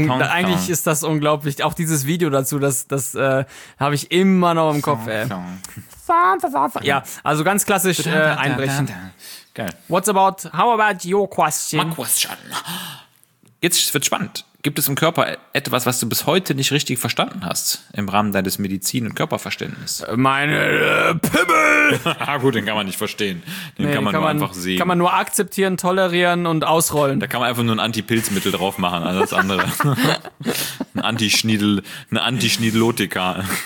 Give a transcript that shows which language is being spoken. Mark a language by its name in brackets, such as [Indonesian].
[German] Eigentlich ist das unglaublich. Auch dieses Video dazu, das habe ich immer noch im Kopf, ey. Ja, also ganz klassisch einbrechen. Geil. [English] How about your question? My question. [German] Jetzt wird spannend. Gibt es im Körper etwas, was du bis heute nicht richtig verstanden hast im Rahmen deines Medizin- und Körperverständnisses? Meine Pimmel! Gut, den kann man nicht verstehen. Den kann man nur einfach sehen. Kann man nur akzeptieren, tolerieren und ausrollen. Da kann man einfach nur ein Antipilzmittel drauf machen, alles andere. Ein Antischniedelotika.